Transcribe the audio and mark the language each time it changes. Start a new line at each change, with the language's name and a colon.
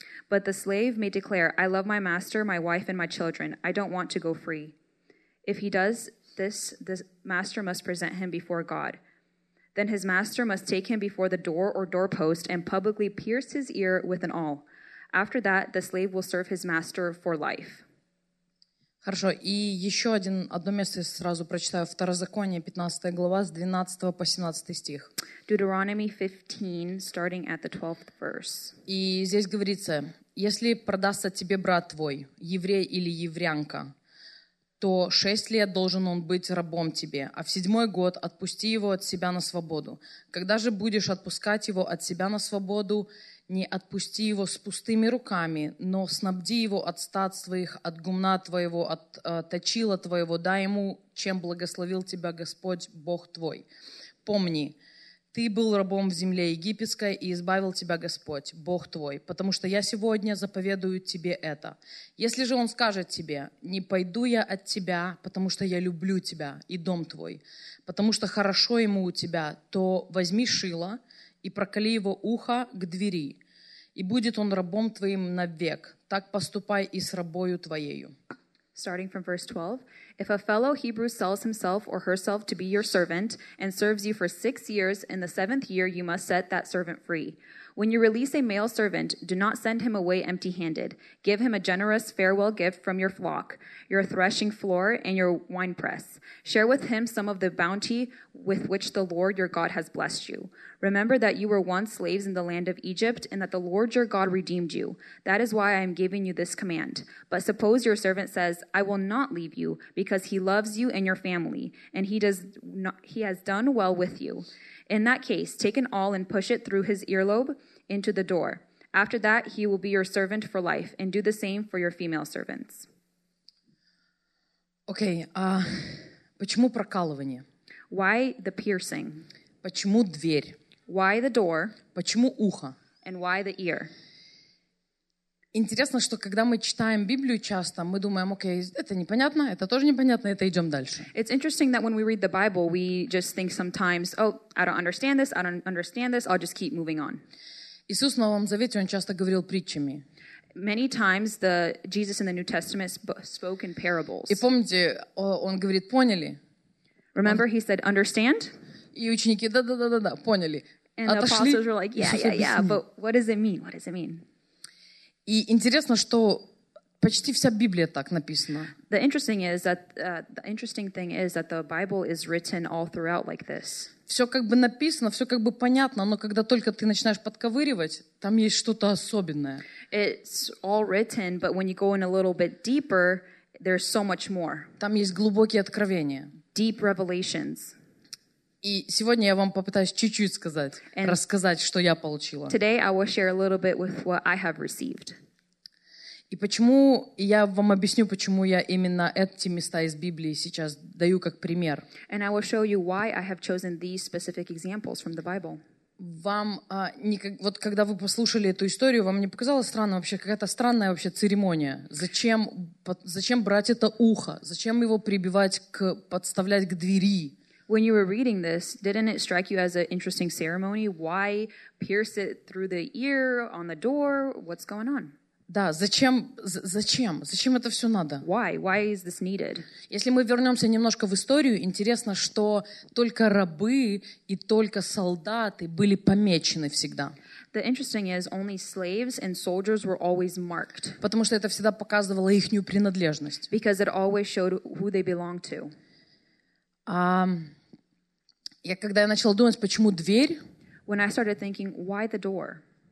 English: But the slave may declare, I love my master, my wife, and my children. I don't want to go free. If he does this, the master must present him before God. Then his master must take him before the door or doorpost and publicly pierce his ear with an awl. After that, the slave will serve his master for life.
Russian: Хорошо, и еще одно место сразу прочитаю. Второзаконие, 15 глава, с 12 по 17 стих.
English: Deuteronomy 15, starting at the 12th verse.
Russian: И здесь говорится, если продастся тебе брат твой, еврей или еврянка, то 6 лет должен он быть рабом тебе, а в 7-й год отпусти его от себя на свободу. Когда же будешь отпускать его от себя на свободу, не отпусти его с пустыми руками, но снабди его от стад твоих, от гумна твоего, от точила твоего, дай ему, чем благословил тебя Господь, Бог твой. Помни, ты был рабом в земле египетской, и избавил тебя Господь, Бог твой, потому что я сегодня заповедую тебе это. Если же он скажет тебе, не пойду я от тебя, потому что я люблю тебя и дом твой, потому что хорошо ему у тебя, то возьми шило, и проколи его ухо к двери, и будет он рабом твоим навек. Так поступай и с рабою твоею.
English: Starting from verse 12, if a fellow Hebrew sells himself or herself to be your servant and serves you for 6 years, in the seventh year you must set that servant free. When you release a male servant, do not send him away empty-handed. Give him a generous farewell gift from your flock, your threshing floor, and your wine press. Share with him some of the bounty with which the Lord your God has blessed you. Remember that you were once slaves in the land of Egypt and that the Lord your God redeemed you. That is why I am giving you this command. But suppose your servant says, I will not leave you because he loves you and your family, and he has done well with you. In that case, take an awl and push it through his earlobe into the door. After that, he will be your servant for life, and do the same for your female servants.
Russian: Okay, почему прокалывание?
English: Why the piercing?
Russian: Почему дверь?
English: Why the door?
Russian: Почему ухо?
English: And why the ear?
Russian: Интересно, что когда мы читаем Библию часто, мы думаем, окей, это непонятно, это тоже непонятно, это идем дальше.
English: It's interesting that when we read the Bible, we just think sometimes, oh, I don't understand this, I'll just keep moving on.
Russian: Иисус в Новом Завете, он часто говорил притчами.
English: Many times the Jesus in the New Testament spoke in parables.
Russian: И помните, он говорит, поняли?
English: Remember, he said, understand?
Russian: И ученики, да-да-да-да-да, поняли.
English: And
Russian: отошли.
English: The apostles were like, yeah, but what does it mean?
Russian: И интересно, что почти вся Библия так написана.
English: The interesting is that the Bible is written all throughout like this.
Russian: Все как бы написано, все как бы понятно, но когда только ты начинаешь подковыривать, там есть что-то особенное.
English: It's all written, but when you go in a little bit deeper, there's so much more.
Russian: Там есть глубокие откровения.
English: Deep revelations.
Russian: И сегодня я вам попытаюсь чуть-чуть сказать, and рассказать, что я получила.
English: Today I will share a little bit with what I have received.
Russian: И почему, я вам объясню, почему я именно эти места из Библии сейчас даю как пример.
English: And I will show you why I have chosen these specific examples from the Bible.
Russian: Вам, вот когда вы послушали эту историю, вам не показалось странно вообще, какая-то странная вообще церемония? Зачем брать это ухо? Зачем его подставлять к двери?
English: When you were reading this, didn't it strike you as an interesting ceremony? Why pierce it through the ear, on the door? What's going on?
Russian: Да, зачем? Зачем это все надо?
English: Why is this needed?
Russian: Если мы вернемся немножко в историю, интересно, что только рабы и только солдаты были помечены всегда.
English: The interesting is only slaves and soldiers were always marked.
Russian: Потому что это всегда показывало ихнюю принадлежность.
English: Because it always showed who they belonged to.
Russian: Я когда я начала думать, почему дверь?
English: When I started thinking, why the door?